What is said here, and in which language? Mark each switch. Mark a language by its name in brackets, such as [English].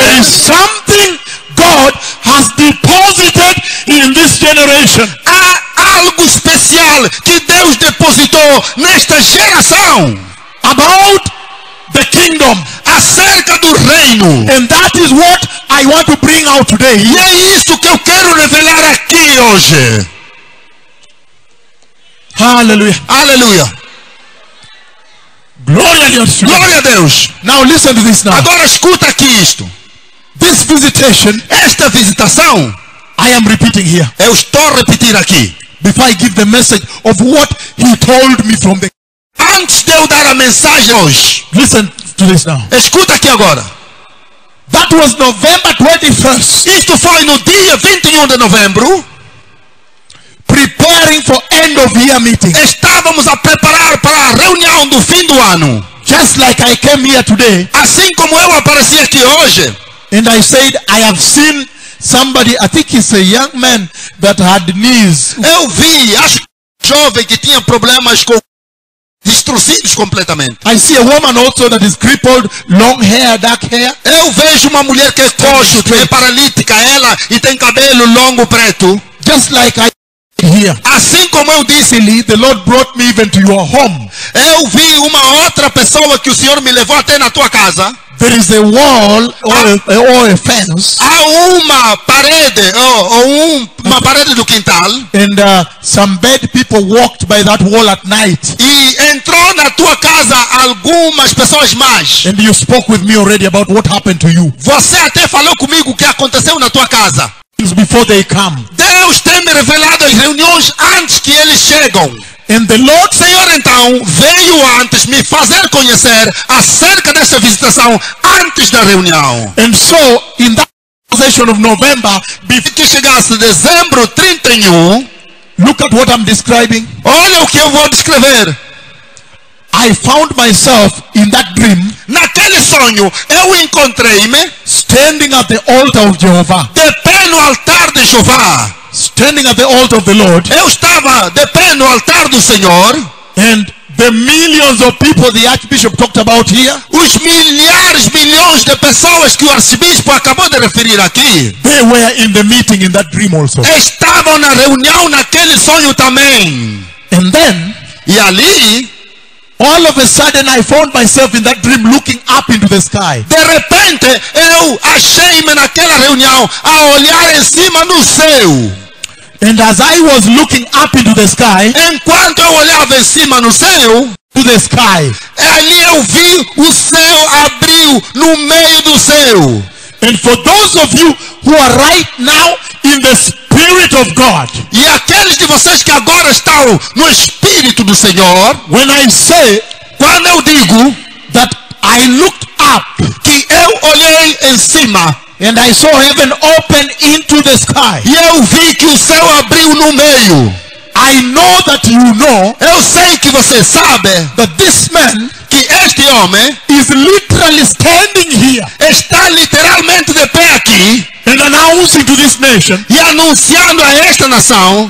[English] There is something God has deposited in this generation. [Portuguese] Há algo especial que Deus depositou nesta geração. [English] About the kingdom. [Portuguese] Acerca do reino. [English] And that is what I want to bring out today. [Portuguese] E é isso que eu quero revelar aqui hoje. Aleluia. Aleluia. Glória a Deus. Glória a Deus. [English] Now listen to this now. [Portuguese] Agora escuta aqui isto. [English] This visitation, [Portuguese] esta visitação, [English] I am repeating here. [Portuguese] Eu estou a repetir aqui. [English] Before I give the message of what he told me from the, [Portuguese] antes de eu dar a mensagem hoje. [English] Listen to this now. [Portuguese] Escuta aqui agora. [English] That was November 21st. [Portuguese] Isto foi no dia 21 de novembro. [English] Preparing for end of year meeting. [Portuguese] Estávamos a preparar para a reunião do fim do ano. [English] Just like I came here today. [Portuguese] Assim como eu apareci aqui hoje. [English] And I said, I have seen somebody, I think it's a young man that had knees. [Portuguese] Eu vi, acho que jovem que tinha problemas com distorcidos completamente. [English] I see a woman also that is crippled, long hair, dark hair. [Portuguese] Eu vejo uma mulher que é coxo, que é paralítica, ela e tem cabelo longo preto. [English] Just like I here. [Portuguese] Assim como eu disse, [English] the Lord brought me even to your home. [Portuguese] Eu vi uma outra pessoa que o Senhor me levou até na tua casa. [English] There is a wall or a fence. [Portuguese] Há uma parede uma parede do quintal. [English] And some bad people walked by that wall at night. [Portuguese] E entrou na tua casa algumas pessoas más. [English] And you spoke with me already about what happened to you. [Portuguese] Você até falou comigo o que aconteceu na tua casa. [English] Before they come. [Portuguese] Deus tem me revelado as reuniões antes que eles chegam. [English] And the Lord, [Portuguese] Senhor, então veio antes me fazer conhecer acerca dessa visitação antes da reunião. [English] And so in that session of November, before [Portuguese] que chegasse dezembro 31, [English] look at what I'm describing. [Portuguese] Olha o que eu vou descrever. [English] I found myself in that dream. [Portuguese] Naquele sonho, eu encontrei-me [English] standing at the altar of Jehovah. [Portuguese] De pé no altar de Jeová. [English] Standing at the altar of the Lord. [Portuguese] Eu estava de pé no altar do Senhor. [English] And the millions of people the Archbishop talked about here. [Portuguese] Os milhares, milhões de pessoas que o Arcebispo acabou de referir aqui. [English] They were in the meeting in that dream also. [Portuguese] Estavam na reunião naquele sonho também. [English] And then. [Portuguese] E ali. [English] All of a sudden I found myself in that dream looking up into the sky. [Portuguese] De repente eu achei-me naquela reunião a olhar em cima no céu. [English] And as I was looking up into the sky, [Portuguese] enquanto eu olhava em cima no céu, [English] to the sky, [Portuguese] ali eu vi o céu abriu no meio do céu. [English] And for those of you who are right now in the Spirit of God. [Portuguese] E aqueles de vocês que agora estão no Espírito do Senhor, [English] when I say, [Portuguese] quando eu digo [English] that I looked up, [Portuguese] que eu olhei em cima, [English] and I saw heaven open into the sky, [Portuguese] e eu vi que o céu abriu no meio, [English] I know that you know, [Portuguese] eu sei que você sabe [English] that this man, [Portuguese] que este homem, [English] is literally standing here, [Portuguese] está literalmente de pé aqui. [English] And announcing to this nation, [Portuguese] e anunciando a esta nação,